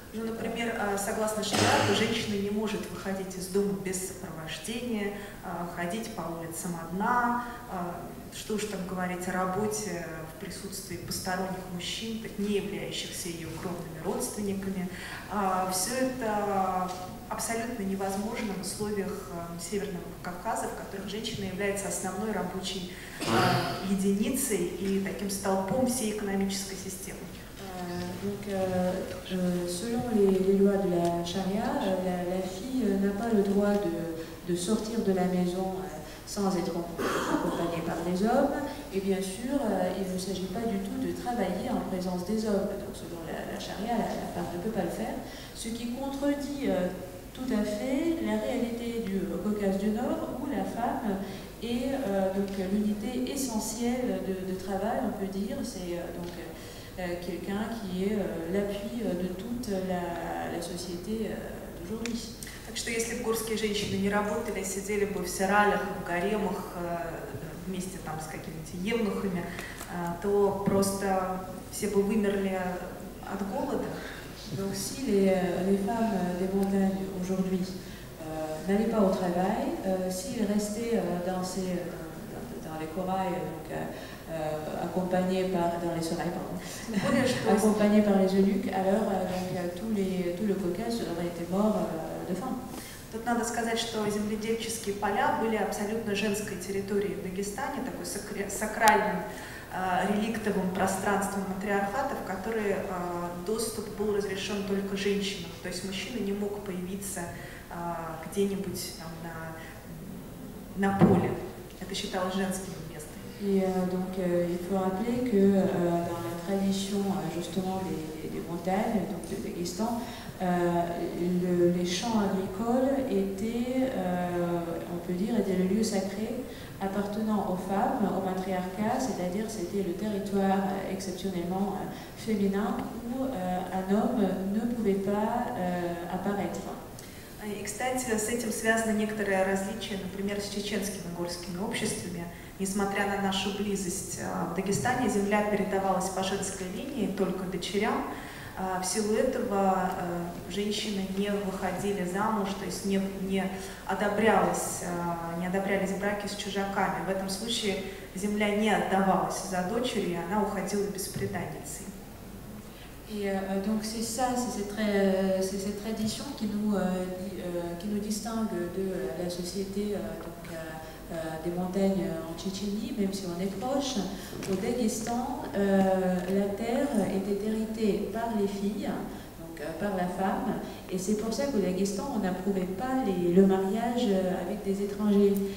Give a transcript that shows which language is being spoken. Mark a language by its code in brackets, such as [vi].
[ru] Ну, например, согласно шариату, женщина не может выходить из дома без сопровождения, ходить по улицам одна, что уж там говорить о работе в присутствии посторонних мужчин, не являющихся ее кровными родственниками. Все это абсолютно невозможно в условиях Северного Кавказа, в которых женщина является основной рабочей единицей и таким столпом всей экономической системы. [fr] Donc, selon les lois de la charia, la fille n'a pas le droit de sortir de la maison sans être accompagnée par des hommes. Et bien sûr, il ne s'agit pas du tout de travailler en présence des hommes. Donc, selon la charia, la femme ne peut pas le faire. Ce qui contredit tout à fait la réalité du Caucase du Nord, où la femme est donc l'unité essentielle de travail, on peut dire. C'est donc quelqu'un qui est l'appui de toute la société d'aujourd'hui. [ru] Так что если бы горские женщины не работали, сидели бы в сиралях, в гаремах вместе там с какими-то евнухами, то просто все бы вымерли от голода. [fr] Donc si les femmes des montagnes aujourd'hui n'allaient pas au travail, s'ils restaient dans les corails, donc accompagné par les eunuques, alors tout le Caucase aurait été mort de faim. [ru] Тут надо сказать, что земледельческие поля были абсолютно женской территорией в Дагестане, такой сакральным реликтовым пространством матриархата, в который доступ был разрешен только женщинам. То есть мужчина не мог появиться где-нибудь там на поле. Это считалось женским. [fr] Et donc, il faut rappeler que dans la tradition justement des montagnes, donc de Dagestan, les champs agricoles étaient, on peut dire, étaient le lieu sacré appartenant aux femmes, au matriarcat, c'est-à-dire c'était le territoire exceptionnellement féminin où un homme ne pouvait pas apparaître. [ru] И, кстати, с этим связаны некоторые различия, например, с чеченскими горскими обществами. Несмотря на нашу близость в Дагестане, земля передавалась по женской линии только дочерям. В силу этого женщины не выходили замуж, то есть не одобрялись браки с чужаками. В этом случае земля не отдавалась за дочери, и она уходила бесприданницей. [fr] Et donc c'est ça, c'est cette tradition qui nous distingue de la société donc, des montagnes en Tchétchénie, même si on est proche. Au Dagestan, la terre était héritée par les filles, donc par la femme, et c'est pour ça qu'au Dagestan, on n'approuvait pas le mariage avec des étrangers.